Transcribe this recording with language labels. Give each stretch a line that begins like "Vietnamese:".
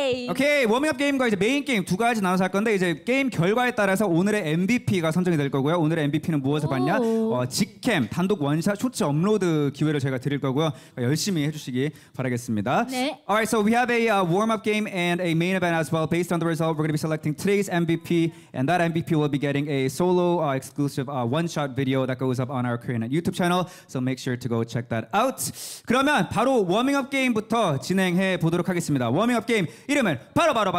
Korean: 오케이 워밍업 게임과 이제 메인 게임 두 가지 나눠서 할 건데 이제 게임 결과에 따라서 오늘의 MVP가 선정이 될 거고요. 오늘의 MVP는 무엇을 받냐? 직캠 단독 원샷 쇼츠 업로드 기회를 저희가 드릴 거고요. 열심히 해주시기 바라겠습니다. 네.
English: Alright, so we have a warm-up game and a main event as well. Based on the result, we're going to be selecting today's MVP, and that MVP will be getting a solo exclusive one-shot video that goes up on our Korean YouTube channel. So make sure to go check that out.
Korean: 그러면 바로 워밍업 게임부터 진행해 보도록 하겠습니다. 워밍업 게임 이름은 바로